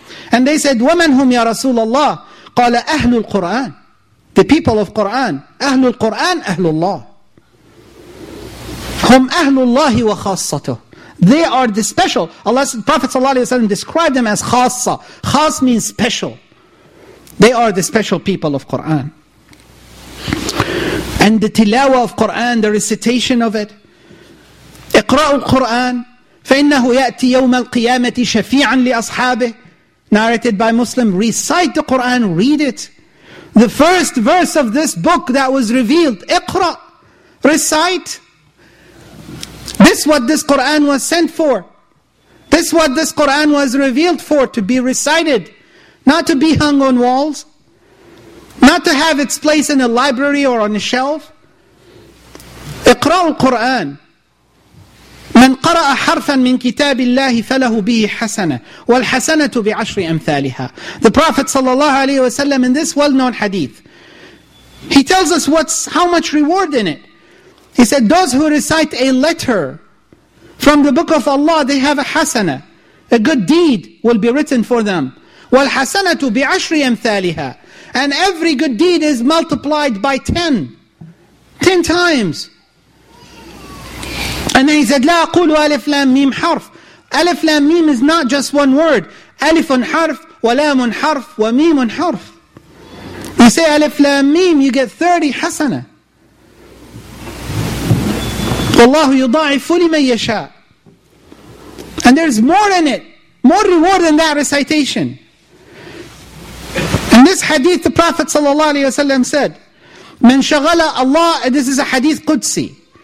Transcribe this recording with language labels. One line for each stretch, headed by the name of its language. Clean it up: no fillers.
English: And they said,
Arabic: وَمَنْ هُمْ يَا رَسُولَ اللَّهِ قَالَ أَهْلُ الْقُرْآنِ
English: The people of Qur'an.
Arabic: أَهْلُ الْقُرْآنِ أَهْلُ اللَّهِ هُمْ أَهْلُ اللَّهِ وَخَاصَّتُهُ
English: They are the special. Allah, the Prophet sallallahu alayhi wa sallam described them as khassa. Khass means special. They are the special people of Qur'an. And the tilawa of Qur'an, the recitation of it.
Arabic: اقرأوا القرآن فإنه يأتي يوم القيامة شفيعا لأصحابه
English: narrated by Muslim, recite the Quran, read it. The first verse of this book that was revealed, Iqra, recite. This what this Quran was sent for. This what this Quran was revealed for, to be recited. Not to be hung on walls. Not to have its place in a library or on a shelf.
Arabic: Iqra al-Quran. من قرأ حرفا من كتاب الله فله به حسنة والحسنة بعشر أمثالها.
English: The Prophet sallallahu alaihi wasallam, in this well-known hadith, he tells us what's how much reward in it. He said, those who recite a letter from the book of Allah, they have a hasana, a good deed will be written for them.
Arabic: والحسنة بعشر أمثالها,
English: and every good deed is multiplied by 10 times. And then he said,
Arabic: لا أقول ألف لام ميم حرف. ألف لام ميم
English: is not just one word.
Arabic: ألف حرف ولام حرف وميم حرف.
English: You say
Arabic: ألف لام ميم,
English: you get 30 حسنة.
Arabic: والله يضاعف لمن يشاء.
English: And there's more in it, more reward than that recitation. In this hadith, the Prophet صلى الله عليه وسلم said,
Arabic: من شغل الله,
English: this is a hadith قدسي.